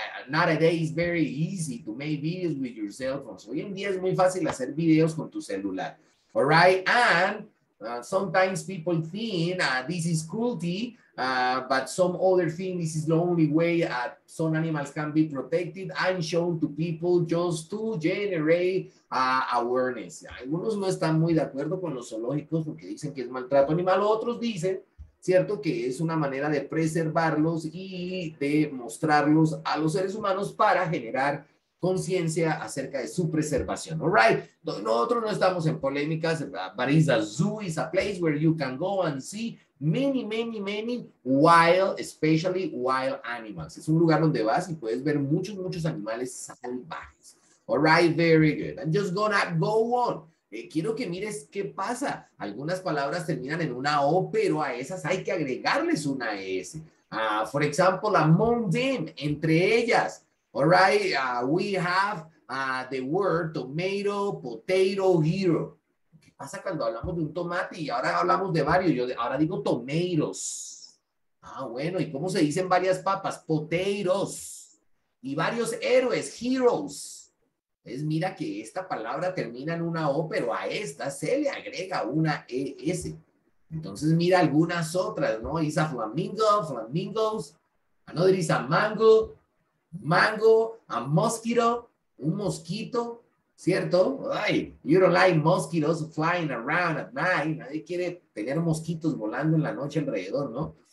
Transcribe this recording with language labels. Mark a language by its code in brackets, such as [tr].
[en] Nowadays, it's very easy to make videos with your cell phones. [es] Hoy en día es muy fácil hacer videos con tu celular. [en] All right, and sometimes people think this is cruelty, but some other thing, this is the only way some animals can be protected and shown to people just to generate awareness. [es] Algunos no están muy de acuerdo con los zoológicos porque dicen que es maltrato animal. Otros dicen, cierto, que es una manera de preservarlos y de mostrarlos a los seres humanos para generar conciencia acerca de su preservación. [en] All right. [es] Nosotros no estamos en polémicas, [en] but it's a zoo, is a place where you can go and see many, many, many wild, especially wild animals. [es] Es un lugar donde vas y puedes ver muchos, muchos animales salvajes. [en] All right, very good. I'm just gonna go on. [es] Quiero que mires qué pasa. Algunas palabras terminan en una O, pero a esas hay que agregarles una S. [en] For example, among them, [es] entre ellas. [en] All right, we have the word tomato, potato, hero. [es] ¿Qué pasa cuando hablamos de un tomate y ahora hablamos de varios? Ahora digo tomatoes. Ah, bueno, ¿y cómo se dicen varias papas? Potatoes. Y varios héroes, heroes. Es, mira que esta palabra termina en una O, pero a esta se le agrega una ES. Entonces, mira algunas otras, ¿no? Is a flamingo, flamingos. [en] Another is a mango. Mango, a mosquito, [es] un mosquito, ¿cierto? [en] Ay, you don't like mosquitoes flying around at night. [es] Nadie quiere tener mosquitos volando en la noche alrededor, ¿no?